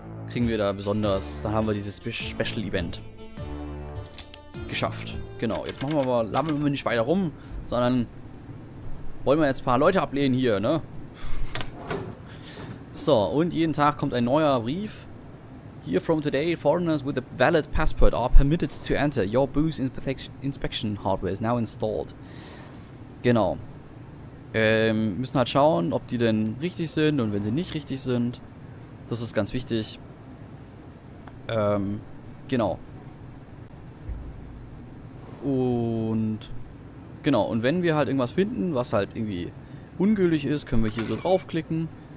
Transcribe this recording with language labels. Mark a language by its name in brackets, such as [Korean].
[German] Kriegen wir da besonders, dann haben wir dieses Special Event geschafft. Genau, jetzt machen wir aber, labern wir nicht weiter rum, sondern wollen wir jetzt ein paar Leute ablehnen hier, ne? So, und jeden Tag kommt ein neuer Brief. [English] Here from today, foreigners with a valid passport are permitted to enter. Your booth inspection hardware is now installed. [German] Genau. Müssen halt schauen, ob die denn richtig sind und wenn sie nicht richtig sind. Das ist ganz wichtig. Genau. Und wenn wir halt irgendwas finden, was halt irgendwie ungültig ist, können wir hier so draufklicken.